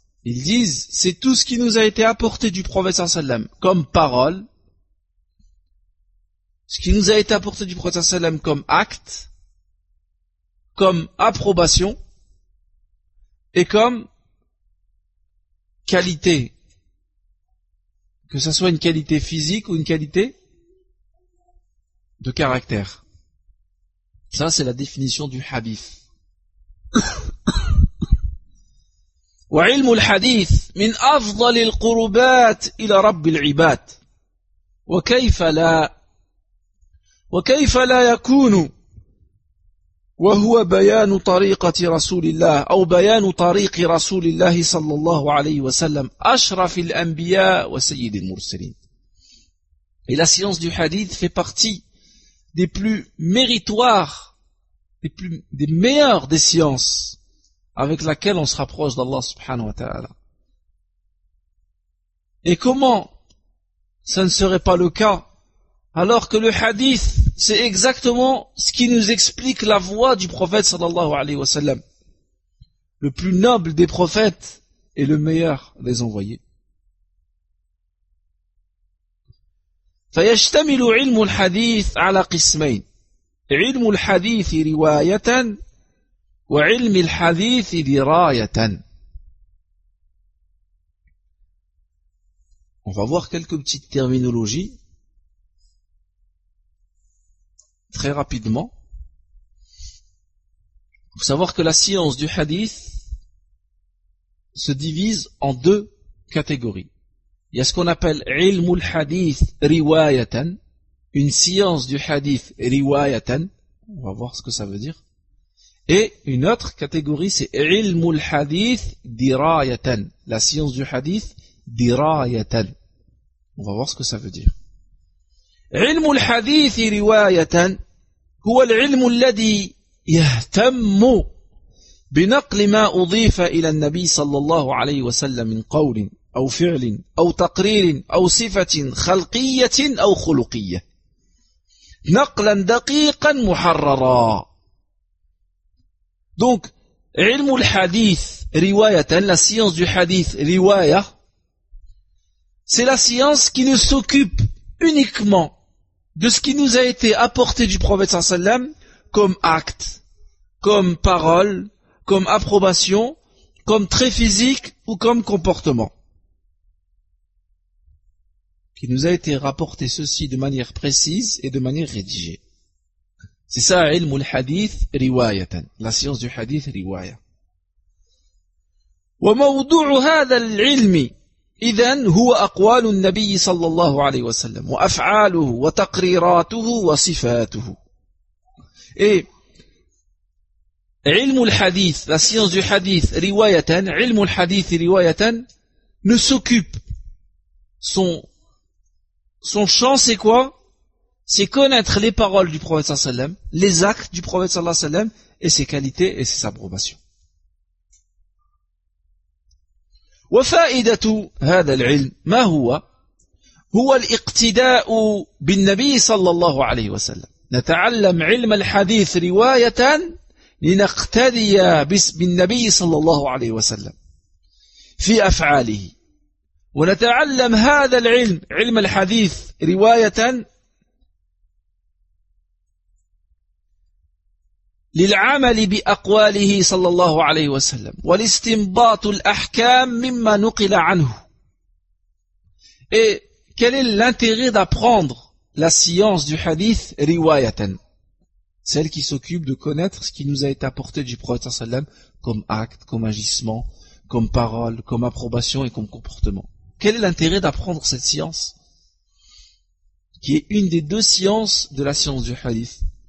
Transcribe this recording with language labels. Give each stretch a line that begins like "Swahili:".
French: Ils disent, c'est tout ce qui nous a été apporté du prophète sallallahu alayhi wa sallam comme parole, ce qui nous a été apporté du prophète sallallahu alayhi wa sallam comme acte, comme approbation, et comme qualité. Que ce soit une qualité physique ou une qualité de caractère. Ça, c'est la définition du hadith.
Arabic: وعلم الحديث من أفضل القربات إلى رب العباد. وكيف لا؟ وكيف لا يكون؟ وهو بيان طريقة رسول الله أو بيان طريق رسول الله صلى الله عليه وسلم أشرف الأنبياء وسيد المرسلين.
French: Et la science du hadith fait partie des plus méritoires, des meilleures des sciences avec laquelle on se rapproche d'Allah subhanahu wa ta'ala. Et comment ça ne serait pas le cas alors que le hadith, c'est exactement ce qui nous explique la voie du prophète sallallahu alayhi wa sallam, le plus noble des prophètes et le meilleur des envoyés.
Arabic: فَيَشْتَمِلُ عِلْمُ الْحَدِيثِ عَلَى قِسْمَيْنِ. علم الحديث رواية وعلم الحديث دراية.
French: On va voir quelques petites terminologies très rapidement. Il faut savoir que la science du hadith se divise en deux catégories. Il y a ce qu'on appelle « ilmul hadith riwayatan », une science du hadith riwayatan, on va voir ce que ça veut dire. Et une autre catégorie, c'est « ilmul hadith dirayatan », la science du hadith dirayatan. On va voir ce que ça veut dire.
Arabic: علم الحديث رواية هو العلم الذي يهتم بنقل ما أضيف إلى النبي صلى الله عليه وسلم من قول أو فعل أو تقرير أو صفة خلقية أو خلقية نقلا دقيقا محررا.
French: Donc
Arabic: علم الحديث رواية,
French: la science du hadith رواية, c'est la science qui ne s'occupe uniquement de ce qui nous a été apporté du prophète sallallahu alayhi wa sallam comme acte, comme parole, comme approbation, comme trait physique ou comme comportement. Qui nous a été rapporté ceci de manière précise et de manière rédigée. C'est ça, ilm al-hadith riwayatan, la science du hadith riwaya.
Arabic: Wa mawdu'u hadha al-ilmi إذن هو أقوال النبي صلى الله عليه وسلم وأفعاله وتقريراته وصفاته.
French: Et علم الحديث, la science du hadith رواية,
Arabic: علم الحديث رواية,
French: ne s'occupe, son champ c'est quoi? C'est connaître les paroles du prophète صلى الله عليه وسلم, les actes du prophète صلى الله عليه وسلم et ses qualités et ses approbations.
Arabic: وفائدة هذا العلم ما هو؟ هو الاقتداء بالنبي صلى الله عليه وسلم. نتعلم علم الحديث رواية لنقتدي بالنبي صلى الله عليه وسلم في أفعاله. ونتعلم هذا العلم علم الحديث رواية للعمل بأقواله صلى الله عليه وسلم والاستنباط الأحكام مما نقل عنه.
French: Et quel est l'intérêt d'apprendre la science du hadith رواية, celle qui s'occupe de connaître ce qui nous a été apporté du prophète صلى الله عليه وسلم comme acte, comme agissement, comme parole, comme approbation et comme comportement. Quel est l'intérêt d'apprendre cette science qui est une des deux sciences de la science du hadith?